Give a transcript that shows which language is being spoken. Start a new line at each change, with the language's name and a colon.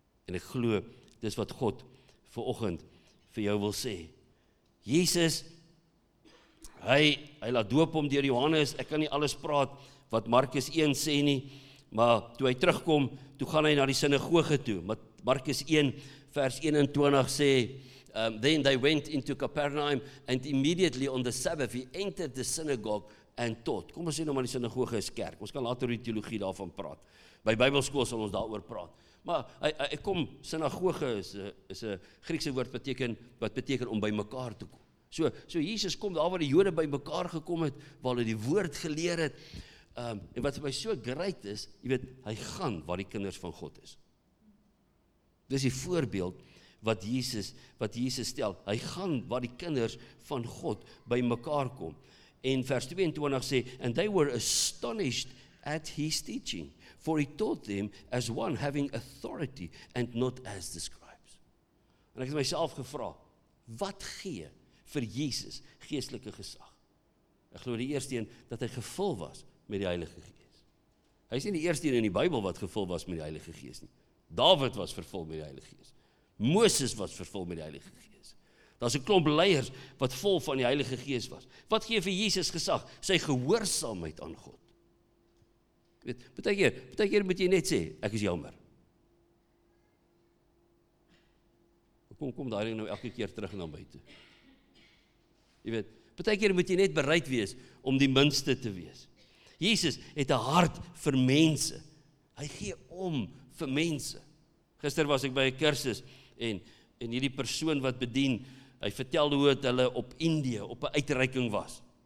Afrikaans: En ek glo, dis wat God vanoggend vir jou wil sê. Jesus, hy laat doop om deur Johannes, ek kan nie alles praat wat Markus 1 sê nie, maar toe hy terugkom, toe gaan hy na die sinagoge toe. Markus 1 vers 21 sê,
English: then they went into Capernaum and immediately on the Sabbath he entered the synagogue and taught.
Afrikaans: Kom ons sê nou maar die sinagoge is kerk, ons kan later die teologie daarvan praat. By Bybelskool sal ons daaroor praat. Maar hy kom, sinagoge is 'n Griekse woord wat beteken om by mekaar te kom. So Jesus kom daar waar die Jode by mekaar gekom het, waar hulle die woord geleer het, en wat vir my so great is, jy weet, hy gaan waar die kinders van God is. Dis die voorbeeld wat Jesus stel, hy gaan waar die kinders van God by mekaar kom. En vers 22 sê,
English: and they were astonished at his teaching, for he taught them as one having authority and not as the scribes.
Afrikaans: En ek het myself gevra, wat gee vir Jesus geestelike gesag? Ek glo die eerste een, dat hy gevul was met die Heilige Gees. Hy is nie die eerste een in die Bybel wat gevul was met die Heilige Gees nie. David was vervul met die Heilige Gees. Moses was vervul met die Heilige Gees. Daar's 'n klomp leiers wat vol van die Heilige Gees was. Wat gee vir Jesus gesag? Sy gehoorsaamheid aan God. Weet, baie keer moet jy net sê, ek is jammer. Kom daai ding nou elke keer terug na my toe. Jy weet, baie keer moet jy net bereid wees om die minste te wees. Jesus het 'n hart vir mense. Hy gee om vir mense. Gister was ek by 'n kursus en hierdie persoon wat bedien, hy vertel hoe het hulle op Indië op 'n uitreiking was.